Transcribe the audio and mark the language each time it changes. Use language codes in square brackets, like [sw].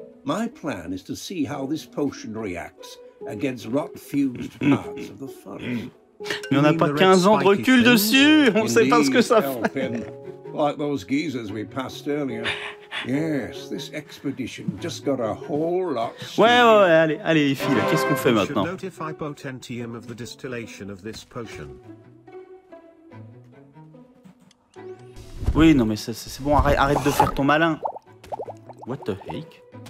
[en] My plan is to see how this potion reacts against rot-fused parts of the forest. [fr] Mais on n'a pas 15 ans de recul dessus. On ne sait pas ce que ça fait. [en] Like those geezers we passed earlier. Yes, this expedition just got a whole lot. [fr] Ouais, allez, les filles. Qu'est-ce qu'on fait maintenant? [en] Notify Potentium of the distillation of this potion. [fr] Oui, non, mais ça, c'est bon, arrête de faire ton malin. [en] What the heck?